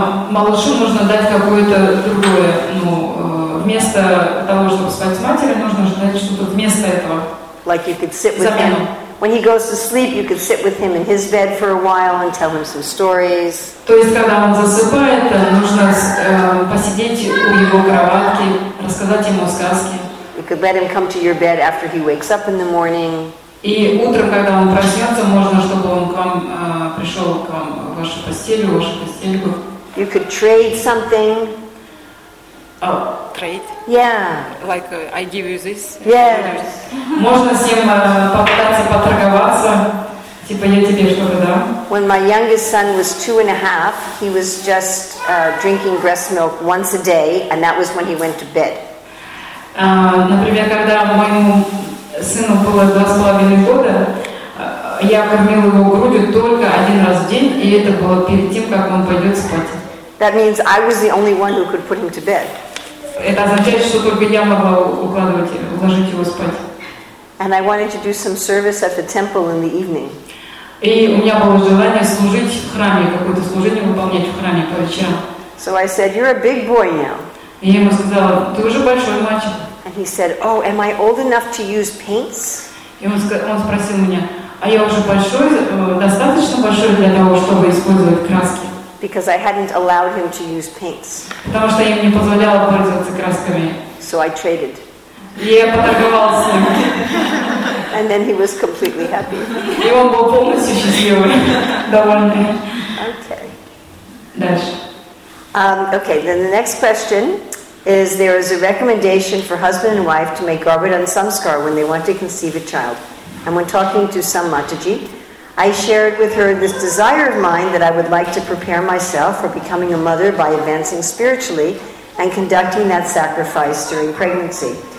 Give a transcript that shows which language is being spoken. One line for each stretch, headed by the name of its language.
Russian: Малышу нужно дать какое-то другое, вместо того, чтобы спать с матерью, нужно дать что-то вместо этого.
English: Like you could sit with him. When he goes to sleep, you could sit with him in his bed for a while and tell him some stories.
Russian: То есть, когда он засыпает, нужно посидеть у его кроватки, рассказать ему сказки.
English: You could let him come to your bed after he wakes up in the morning.
Russian: И утром, когда он проснется, можно, чтобы он к вам пришел к вам в вашу постель, в вашу постельку.
English: You could trade something. Oh, trade? Yeah. Like I give you this. Yes.
Russian: Можно с ним попытаться поторговаться, типа я тебе что-то дам.
English: When my youngest son was 2.5, he was just drinking breast milk once a day, and that was when he went to bed.
Russian: Например, когда моему сыну было 2.5 года, я кормил его грудью только один раз в день, и это было перед тем, как он пойдет спать.
English: That means I was the only one who could put him to bed.
Russian: Это означает, что только я могла уложить его спать.
English: And I wanted to do some service at the temple in the evening.
Russian: И у меня было желание служить в храме, какое-то служение выполнять в храме по вечерам.
English: So I said, you're a big boy now.
Russian: И я ему сказала, ты уже большой мальчик.
English: And he said, "Oh, am I old enough to use paints?"
Russian: Он спросил меня, а я уже большой, достаточно большой для того, чтобы использовать краски?
English: Because I hadn't allowed him to use paints.
Russian: Потому что я не позволяла пользоваться красками.
English: So I traded.
Russian: Я поторговался.
English: And then he was completely happy.
Russian: И он был полностью счастливый, довольный.
English: Okay.
Russian: Дальше.
English: Okay. Then the next question is: there is a recommendation for husband and wife to make garbhat and samskar when they want to conceive a child. And when talking to some Mataji, I shared with her this desire of mine that I would like to prepare myself for becoming a mother by advancing spiritually and conducting that sacrifice during pregnancy.